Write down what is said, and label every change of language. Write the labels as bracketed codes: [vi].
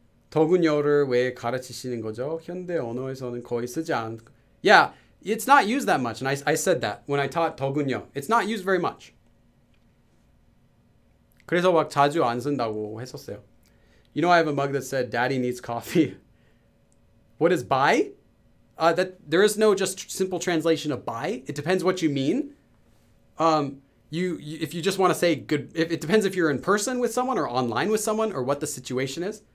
[ko] 더군요를 왜 가르치시는 거죠? 현대 언어에서는 거의 쓰지 않고. [en] Yeah, it's not used that much. And I said that when I taught 더군요. It's not used very much. [ko] 그래서 막 자주 안 쓴다고 했었어요. [en] You know, I have a mug that said, Daddy needs coffee. What is bye? That there is no just simple translation of bye. It depends what you mean. If you just want to say good, if it depends if you're in person with someone or online with someone or what the situation is.